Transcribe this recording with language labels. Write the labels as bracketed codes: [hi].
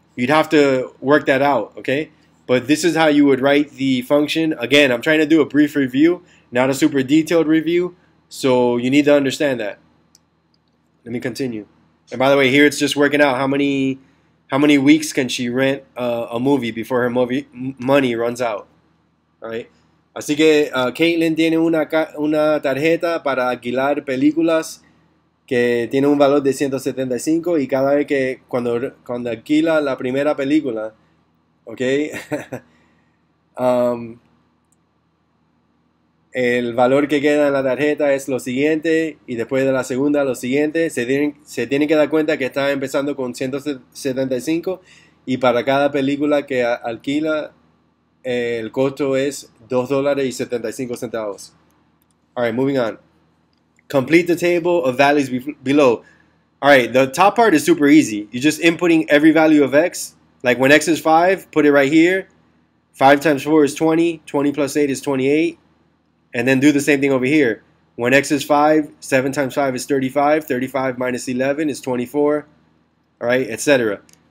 [en] You'd have to work that out, okay? But this is how you would write the function. Again, I'm trying to do a brief review, not a super detailed review. So you need to understand that. Let me continue. And by the way, here it's just working out how many weeks can she rent a movie before her money runs out. Right? [es] Así que Caitlin tiene una tarjeta para alquilar películas que tiene un valor de 175 y cada vez que cuando alquila la primera película, okay? El valor que queda en la tarjeta es lo siguiente, y después de la segunda, lo siguiente. Se tiene que dar cuenta que está empezando con 175, y para cada película que alquila, el costo es $2.75. [en] All right, moving on. Complete the table of values below. All right, the top part is super easy. You're just inputting every value of x. Like when x is 5, put it right here. 5 times 4 is 20. 20 plus 8 is 28. And then do the same thing over here. When x is 5, 7 times 5 is 35. 35 minus 11 is 24. All right, etc.